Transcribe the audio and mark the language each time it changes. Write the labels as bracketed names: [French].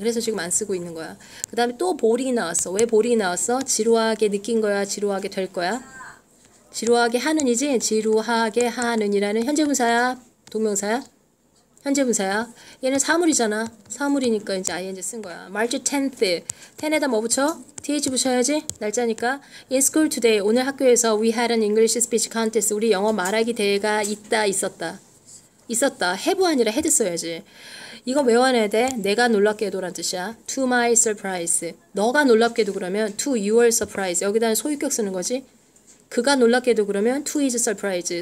[Korean] 그래서 지금 안 쓰고 있는 거야. 그 다음에 또 보링이 나왔어. 왜 보링이 나왔어? 지루하게 느낀 거야? 지루하게 될 거야? 지루하게 하는이지? 지루하게 하는이라는 현재분사야? 동명사야? 현재분사야? 얘는 사물이잖아. 사물이니까 이제 ing 쓴 거야. [English] March 10th. [Korean] 10에다 뭐 붙여? th 붙여야지. 날짜니까. [English] In school today, [Korean] 오늘 학교에서 [English] we had an English speech contest. [Korean] 우리 영어 말하기 대회가 있었다. 있었다. have 아니라 had 써야지. 이거 외워내야 돼. 내가 놀랍게도 란 뜻이야. [English] To my surprise. [Korean] 너가 놀랍게도 그러면 [English] to your surprise. [Korean] 여기다 소유격 쓰는 거지. 그가 놀랍게도 그러면 [English] to his surprise.